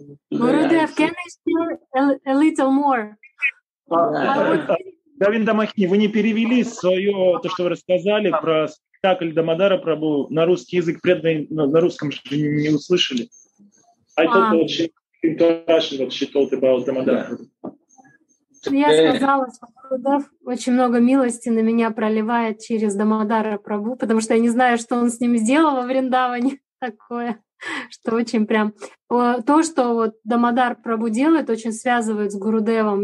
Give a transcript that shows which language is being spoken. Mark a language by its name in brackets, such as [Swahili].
[English] Гурудев, can I share a little more? [Russian] Говинда Махини, вы не перевели свое, то, что вы рассказали про спектакль Дамодара Прабху на русский язык, преданный на русском же не услышали. [English] I thought it was interesting what she told about Дамодара. [Russian] Я сказала, что Гурудев очень много милости на меня проливает через Дамодара Прабху, потому что я не знаю, что он с ним сделал во Вриндаване такое, что очень прям... То, что вот Дамодар Прабху делает, очень связывает с Гурудевом.